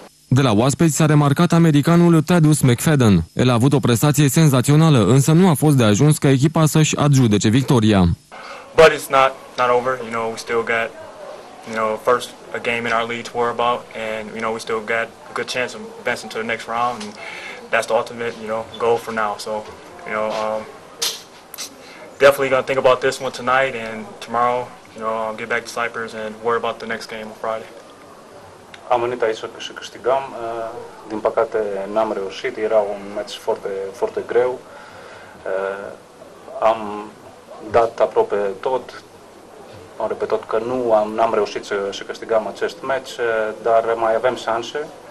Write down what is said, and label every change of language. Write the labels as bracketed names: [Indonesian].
[Romanian] De la oaspeți s-a remarcat americanul Thaddeus McFadden. El a avut o prestație senzațională, însă nu a fost de ajuns ca echipa să-și adjudece victoria. [English] But it's not over, you know, we still got, you know, first a game in our league to worry about, and you know we still got a good chance of advancing to the next round, and that's the ultimate, you know, goal for now. So, you know, definitely gonna think about this one tonight and tomorrow. You know, I'll get back to Cyprus and worry about the next game on Friday. [Romanian] Am venit aici să câștigăm. Din păcate, n-am reușit. Era un meci foarte greu. dat aproape tot. Am repetat că nu am, n-am reușit să câștigăm acest match, dar mai avem șanse.